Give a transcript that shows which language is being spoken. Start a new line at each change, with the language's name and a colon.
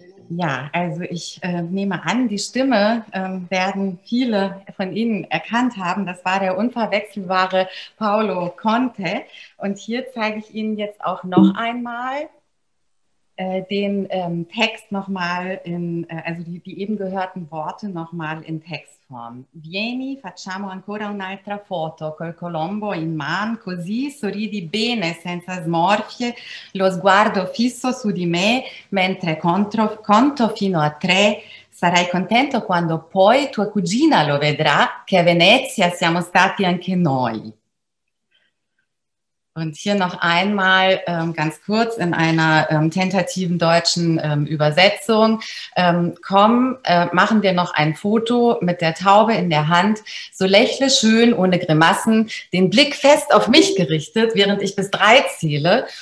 German: Ja, also ich nehme an, die Stimme werden viele von Ihnen erkannt haben. Das war der unverwechselbare Paolo Conte. Und hier zeige ich Ihnen jetzt auch noch einmal den Text nochmal in, also die eben gehörten Worte nochmal in Textform.
Italian: Vieni, facciamo ancora un'altra foto col Colombo in man, così sorridi bene senza smorfie, lo sguardo fisso su di me, mentre conto fino a tre, sarai contento quando poi tua cugina lo vedrà, che a Venezia siamo stati anche noi.
German: Und hier noch einmal ganz kurz in einer tentativen deutschen Übersetzung. Machen wir noch ein Foto mit der Taube in der Hand. So lächle schön, ohne Grimassen, den Blick fest auf mich gerichtet, während ich bis drei zähle.